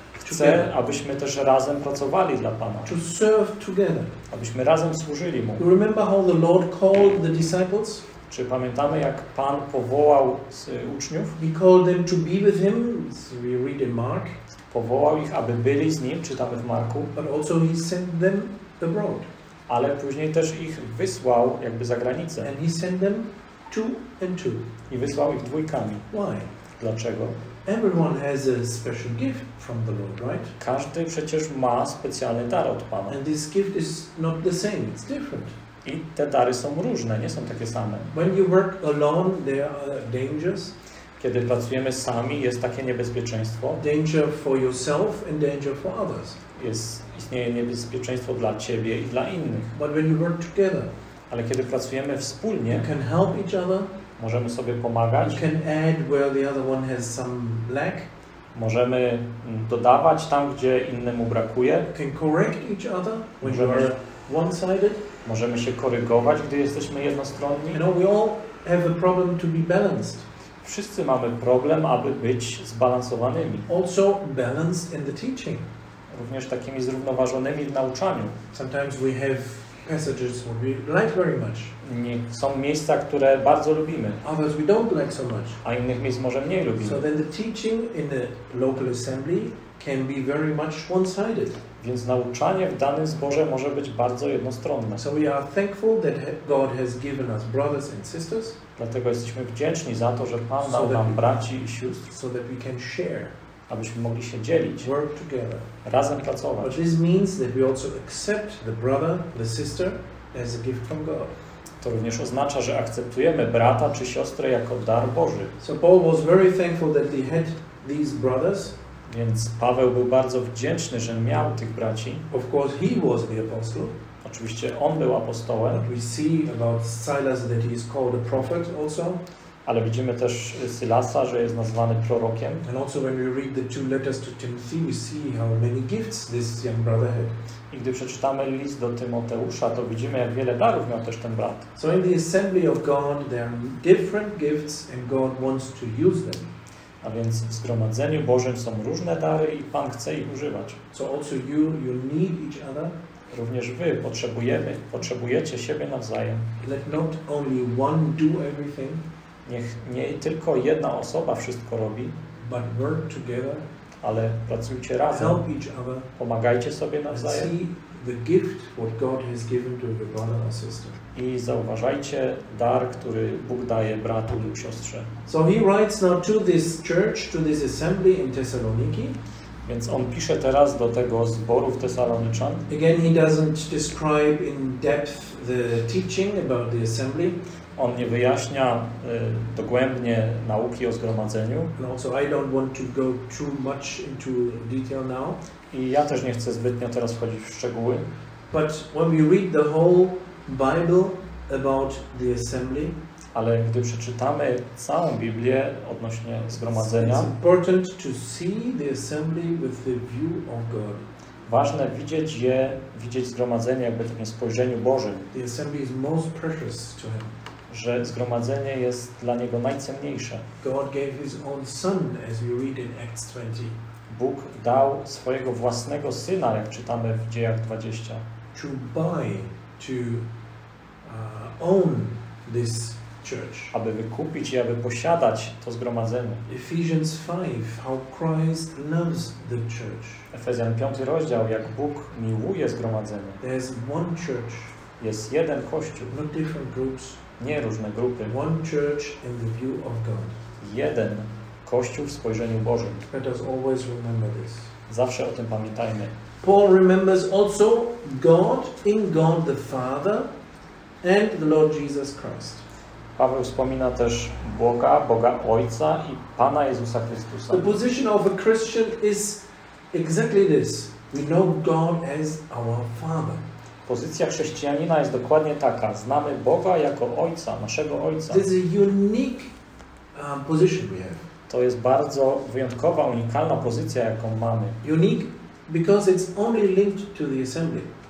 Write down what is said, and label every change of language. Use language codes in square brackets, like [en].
[pl] Chcę, abyśmy też razem pracowali dla Pana. [en] To serve together. [pl] Abyśmy razem służyli Mu. [en] You remember how the Lord called the disciples? [pl] Czy pamiętamy, jak Pan powołał uczniów? [en] He called them to be with Him, we read in Mark. [pl] Powołał ich, aby byli z Nim, czytamy w Marku. [en] But also He sent them abroad. [pl] Ale później też ich wysłał jakby za granicę. [en] And He sent them two and two. [pl] I wysłał ich dwójkami. [en] Why? [pl] Dlaczego? [en] Everyone has a special gift from the Lord, right? [pl] Każdy przecież ma specjalny dar od Pana. [en] And this gift is not the same, it's different. [pl] I te dary są różne, nie są takie same. [en] When you work alone, there are dangers. [pl] Kiedy pracujemy sami, jest takie niebezpieczeństwo. [en] Danger for yourself and danger for others. [pl] Istnieje niebezpieczeństwo dla ciebie i dla innych. [en] But when you work together, [pl] ale kiedy pracujemy wspólnie, [en] you can help each other. [pl] Możemy sobie pomagać. [en] You can add where the other one has some lack. [pl] Możemy dodawać tam, gdzie innemu brakuje. [en] You can correct each other when you are one-sided. [pl] Możemy się korygować, gdy jesteśmy jednostronni. [en] You know, we all have a problem to be balanced. [pl] Wszyscy mamy problem, aby być zbalansowanymi. [en] Also balanced in the teaching. [pl] Również takimi zrównoważonymi w nauczaniu. [en] Sometimes we have passages that we like very much. [pl] Nie, są miejsca, które bardzo lubimy. [en] Others we don't like so much. [pl] A innych miejsc może mniej lubimy. [en] So then the teaching in the local assembly can be very much one-sided. [pl] Więc nauczanie w danym zborze może być bardzo jednostronne. [en] So we are thankful that God has given us brothers and sisters. [pl] Dlatego jesteśmy wdzięczni za to, że Pan dał nam braci i sióstr. [en] So that we can share. [pl] Abyśmy mogli się dzielić. [en] Work together. [pl] Razem pracować. [en] But this means that we also accept the brother, the sister as a gift from God. [pl] To również oznacza, że akceptujemy brata czy siostrę jako dar Boży. [en] So Paul was very thankful that he had these brothers. [pl] Więc Paweł był bardzo wdzięczny, że miał tych braci. [en] Of course he was the apostle. [pl] Oczywiście on był apostołem. [en] But we see about Silas that he is called a prophet also. [pl] Ale widzimy też Sylasa, że jest nazwany prorokiem. [en] And also when we read the two letters to Timothy, we see how many gifts this young brother had. [pl] I gdy przeczytamy list do Tymoteusza, to widzimy, jak wiele darów miał też ten brat. [en] So in the assembly of God, there are different gifts and God wants to use them. [pl] A więc w zgromadzeniu Bożym są różne dary i Pan chce ich używać. [en] So also you need each other. [pl] Również wy potrzebujecie siebie nawzajem. [en] Let not only one do everything. [pl] Niech nie tylko jedna osoba wszystko robi, [en] but work together, [pl] ale pracujcie razem, [en] help each other, [pl] pomagajcie sobie nawzajem [en] and see the gift, what God has given to the brother or sister. [pl] I zauważajcie dar, który Bóg daje bratu lub siostrze. [en] So he writes now to this church, to this assembly in Thessaloniki. [pl] Więc on pisze teraz do tego zboru w Tesaloniczan. [en] Again, he doesn't describe in depth the teaching about the assembly. [pl] On nie wyjaśnia dogłębnie nauki o zgromadzeniu. [en] Also, I don't want to go too much into detail now. [pl] I ja też nie chcę zbytnio teraz wchodzić w szczegóły. [en] But when we read the whole Bible about the assembly, [pl] ale gdy przeczytamy całą Biblię odnośnie zgromadzenia, [en] it's important to see the assembly with the view of God. [pl] Ważne widzieć je, widzieć zgromadzenie jakby w takim spojrzeniu Bożym. [en] The assembly is most precious to him. [pl] Że zgromadzenie jest dla niego najcenniejsze. [en] God gave his own son, as we read in Acts 20. [pl] Bóg dał swojego własnego syna, jak czytamy w Dziejach 20. [en] To buy, to own this church. [pl] Aby wykupić i aby posiadać to zgromadzenie. [en] Ephesians 5, how Christ loves the church. [pl] Efezjan 5 rozdział, jak Bóg miłuje zgromadzenie. [en] There's one church. [pl] Jest jeden kościół. [en] Not different groups. [pl] Nie różne grupy. [en] One church in the view of God. [pl] Jeden kościół w spojrzeniu Bożym. [en] Let us always remember this. [pl] Zawsze o tym pamiętajmy. [en] Paul remembers also God in God the Father and the Lord Jesus Christ. [pl] Paweł wspomina też Boga, Boga Ojca i Pana Jezusa Chrystusa. [en] The position of a Christian is exactly this. We know God as our Father. [pl] Pozycja chrześcijanina jest dokładnie taka. Znamy Boga jako Ojca, naszego Ojca. [en] This is a unique position we have. [pl] To jest bardzo wyjątkowa, unikalna pozycja, jaką mamy. [en] Unique because it's only linked to the assembly.